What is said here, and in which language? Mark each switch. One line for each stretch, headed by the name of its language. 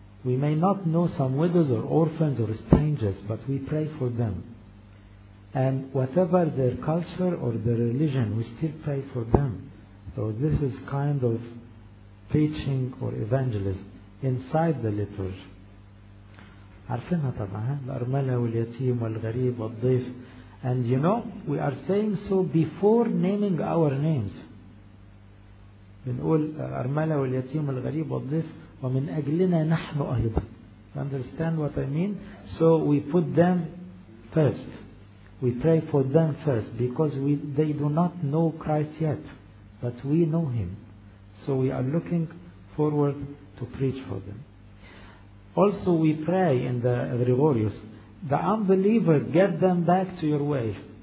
English: We may not know some widows or orphans or strangers, but we pray for them. And whatever their culture or their religion, we still pray for them. So this is kind of preaching or evangelism inside the liturgy.
Arabic: عارفينها طبعا, الأرملة واليتيم والغريب والضيف.
English: And you know, we are saying so before naming our names.
Arabic: بنقول الأرملة واليتيم والغريب والضيف ومن أجلنا نحن أيضا.
English: You understand what I mean? So we put them first. We pray for them first because they do not know Christ yet. But we know Him. So we are looking forward to preach for them. Also, we pray in the Gregorius, the unbeliever, get them back to your way.